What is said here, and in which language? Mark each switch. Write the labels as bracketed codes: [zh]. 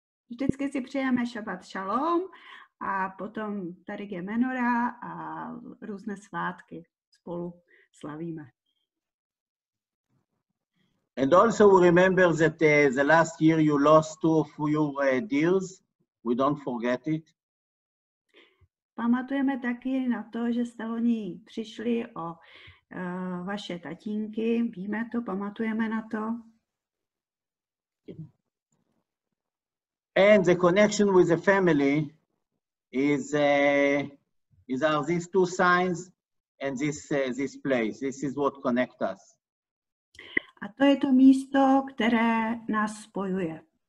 [cs] Vždycky si přejeme Shabbat Shalom. A potom tady je menora a různé svátky spolu slavíme. [en] And also remember that the last year you lost two of your deers. We don't forget it. [cs] Pamatujeme taky na to, že jste loni přišli o vaše tatínky. Víme to, pamatujeme na to. [en] And the connection with the family is these two signs and this place. This is what connect us. [cs] A to je to místo, které nás spojuje.